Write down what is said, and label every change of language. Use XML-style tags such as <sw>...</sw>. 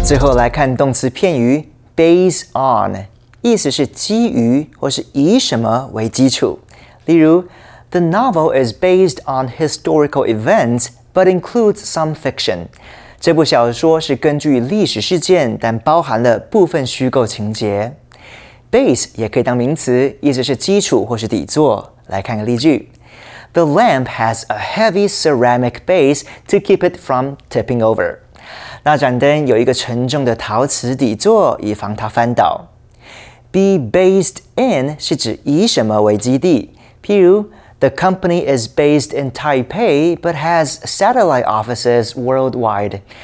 <zh>Based on 意思是基于或是以什么为基础。例如,</zh> <en>the novel is based on historical events but includes some fiction.</en> <zh>这部小说是根据历史事件但包含了部分虚构情节。 Base也可以当名词, 意思是基础或是底座。来看个例句,</zh> <en>the lamp has a heavy ceramic base to keep it from tipping over.</en> <zh>那盏灯有一个沉重的陶瓷底座以防它翻倒。 Be based in是指以什么为基地。譬如,</zh> <en>the company is based in Taipei but has satellite offices worldwide.</en>